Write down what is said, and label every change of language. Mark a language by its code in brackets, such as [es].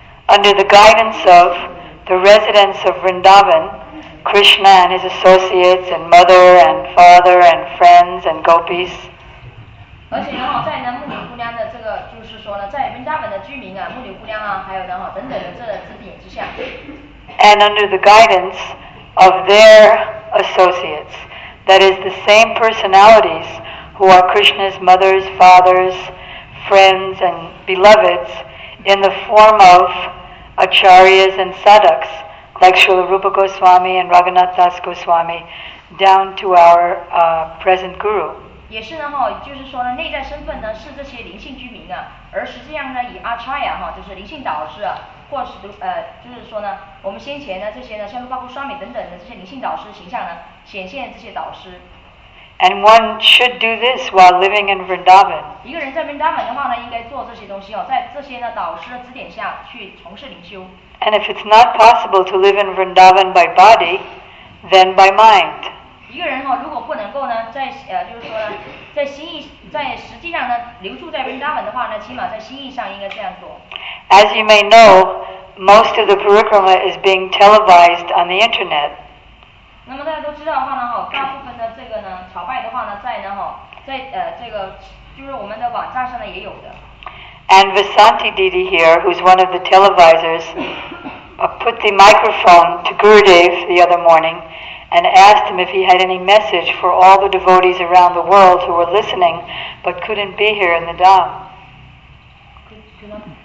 [en] Under the guidance of the residents of Vrindavan, Krishna and his associates and mother and father and friends and gopis, [zh] 而且在牧女姑娘的就是说在温达本的居民牧女姑娘还有等等的指点之下。 [en] And under the guidance of their associates, that is the same personalities who are Krishna's mothers, fathers, friends, and beloveds in the form of acharyas and sadhaks, like Srila Rupa Goswami and Raghunath Das Goswami, down to our present guru. [zh] 也是就是说内在身份是这些灵性居民的，而实际上以阿查亚就是灵性导师，或是就是说我们先前这些像包括沙米等等的这些灵性导师形象显现这些导师。 [en] And one should do this while living in Vrindavan. [zh] 一个人在 Vrindavan 的话应该做这些东西在这些导师的指点下去从事灵修。 [en] And if it's not possible to live in Vrindavan by body, then by mind. [zh] 一个人如果不能够在心意在实际上留住在 Vrindavan 的话起码在心意上应该这样做。 [en] As you may know, most of the parikrama is being televised on the internet. [zh] 那么大家都知道的话大部分的这个朝拜的话在这个就是我们的网站上也有的。 [en] And Vasanti Didi here, who's one of the televisers, put the microphone to Gurudev the other morning. And asked him if he had any message for all the devotees around the world who were listening but couldn't be here in the Dham.